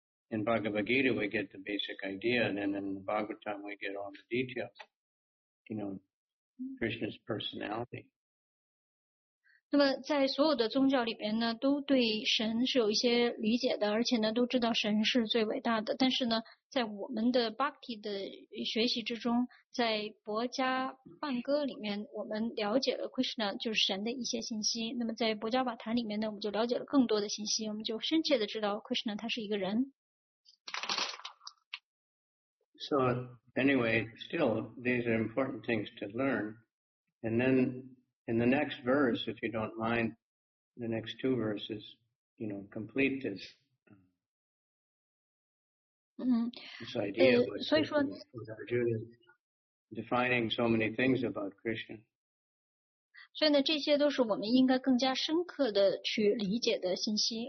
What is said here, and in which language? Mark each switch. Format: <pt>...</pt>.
<en>In Bhagavad Gita, we get the basic idea, and then in the Bhagavatam, we get all the details. You know, Krishna's personality.</en> <zh>那么在所有的宗教里边呢，都对神是有一些理解的，而且呢都知道神是最伟大的。但是呢，在我们的 Bhakti 的学习之中，在博伽梵歌里面，我们了解了 Krishna 就是神的一些信息。那么在博伽瓦坛里面呢，我们就了解了更多的信息，我们就深切的知道 Krishna 他是一个人。</zh> <en>So anyway, still these are important things to learn, and then. In the next verse, if you don't mind, the next two verses, you know, complete this, this idea of what Krishna is with Arjuna, defining so many things about Krishna.</en> <zh>所以呢，这些都是我们应该更加深刻的去理解的信息。</zh>